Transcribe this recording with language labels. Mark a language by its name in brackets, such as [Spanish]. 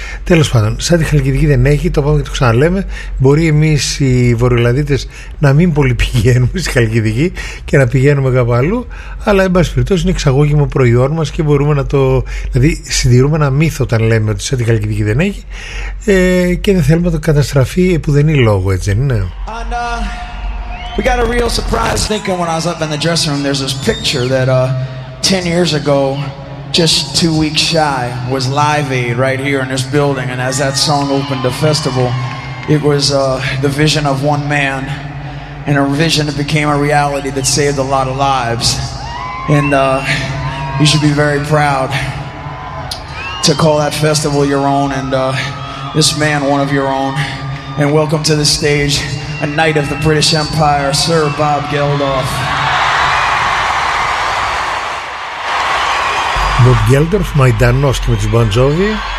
[Greek] Τέλος πάντων, σαν τη Χαλκιδική δεν έχει, το πάμε και το ξαναλέμε. Μπορεί εμείς οι Βορειοελλαδίτες να μην πολύ πηγαίνουμε στη Χαλκιδική και να πηγαίνουμε κάπου αλλού, αλλά εν πάση περιπτώσει είναι εξαγώγημο προϊόν μας και μπορούμε να το. Δηλαδή, συντηρούμε ένα μύθο όταν λέμε ότι σαν τη Χαλκιδική δεν έχει. Και δεν θέλουμε να το καταστραφεί που δεν είναι λόγο, έτσι δεν είναι? [English] And, we got a real surprise thinking when I was up in the dressing room. There's this picture that 10 years ago, just 2 weeks shy, was Live Aid right here in this building. And as that song opened the festival, it was the vision of one man and a vision that became a reality that saved a lot of lives. And you should be very proud to call that festival your own. And this man, one of your own, and welcome to the stage, a knight of the British Empire, Sir Bob Geldof. [Greek] Bob Geldof, my Danos, και με τους Bon Jovi.